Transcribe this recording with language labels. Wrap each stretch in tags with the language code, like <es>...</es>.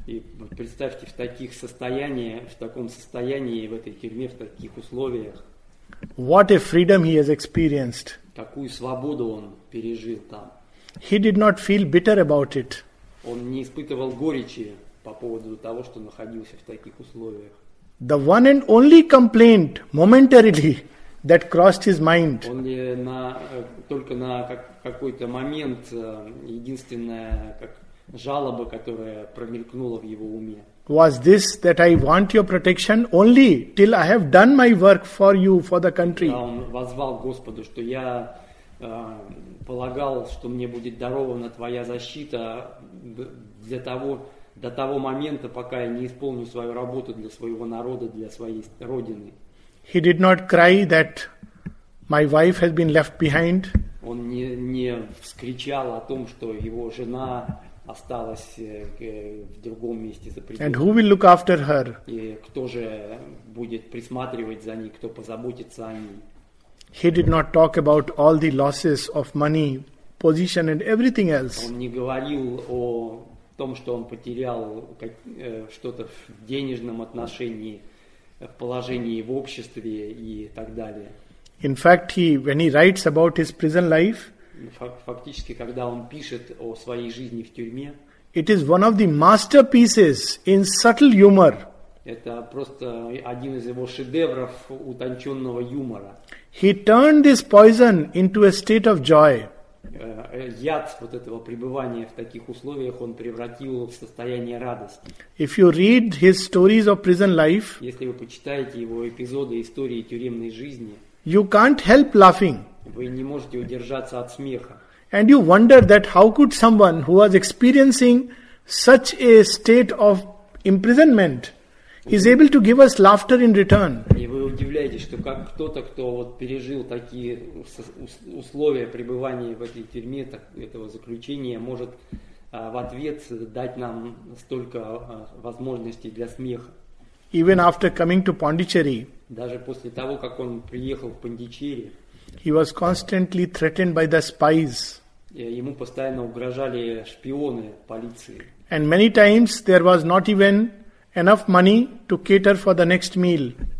<ru>И представьте, в таком состоянии, в этой тюрьме, в таких условиях.</ru> <en>What a freedom he has experienced.</en> <ru>Какую свободу он пережил там.</ru> <en>He did not feel bitter about it.</en> <ru>Он не испытывал горечи по поводу того, что находился в таких условиях.</ru> <en>The one and only complaint momentarily that crossed his mind.</en> <ru>Он только на какой-то момент единственная как жалоба, которая промелькнула в его уме.</ru> <en>Was this that I want your protection only till I have done my work for you, for the country?</en> <ru>Да, он воззвал Господу, что я полагал, что мне будет дарована твоя защита для того, до того момента, пока я не исполню свою работу для своего народа, для своей родины.</ru> <en>He did not cry that my wife has been left behind.</en> <ru>Он не вскричал о том, что его жена осталась в другом месте за пределами.</ru> <en>And who will look after her?</en> <ru>И кто же будет присматривать за ней, кто позаботится о ней?</ru> <en>He did not talk about all the losses of money, position and everything else.</en> <ru>Он не говорил о том, что он потерял что-то в денежном отношении, в положении в обществе и так далее.</ru> <en>In fact, when he writes about his prison life,</en> <ru>фактически, когда он пишет о своей жизни в тюрьме,</ru> <en>it is one of the masterpieces in subtle humor.</en> <ru>Это просто один из его шедевров утонченного юмора.</ru> <en>He turned this poison into a state of joy.</en> <ru>Яд вот этого пребывания в таких условиях он превратил в состояние радости.</ru> <en>If you read his stories of prison life,</en> <ru>если вы почитаете его эпизоды истории тюремной жизни,</ru> <en>you can't help laughing.</en> <ru>Вы не можете удержаться от смеха.</ru> <en>And you wonder that how could someone who was experiencing such a state of imprisonment is able to give us laughter in return.</en> <ru>И вы удивляетесь, замечаете, что как кто-то, кто вот пережил такие условия пребывания в этой тюрьме, так, этого заключения, может в ответ дать нам столько возможностей для смеха.</ru> <en>Even after coming to Pondicherry,</en> <ru>даже после того, как он приехал в Пондичерри,</ru> <en>he was constantly threatened by the spies.</en> <ru>Ему постоянно угрожали шпионы полиции.</ru> <en>And many times there was not even enough money to cater for the next meal.</en>